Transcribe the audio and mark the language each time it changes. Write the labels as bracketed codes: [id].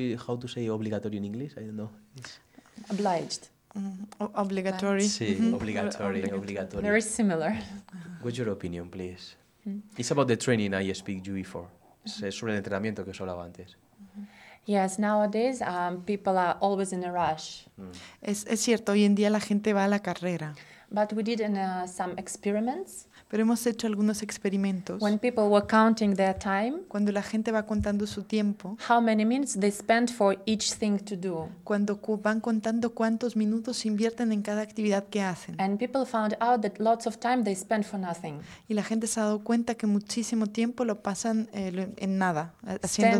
[en] How to say obligatorio in English? I don't know. Obliged. Obligatory. [es] Sí, [en] obligatory. Very similar. What's your opinion, please? It's about the training I speak to you before. [es] Es sobre el entrenamiento que os hablaba antes. [en] Yes, nowadays people are always in a rush. [es] Es cierto, hoy en día la gente va a la carrera. [en] But we did some experiments. [es] Pero hemos hecho algunos experimentos. [en] When people were counting their time. [es] Cuando la gente va contando su tiempo. [en] How many minutes they spend for each thing to do. [es] Cuando van contando cuántos minutos invierten en cada actividad que hacen. [en] And people found out that lots of time they spend for nothing. [es] Y la gente se ha dado cuenta que muchísimo tiempo lo pasan en nada, haciendo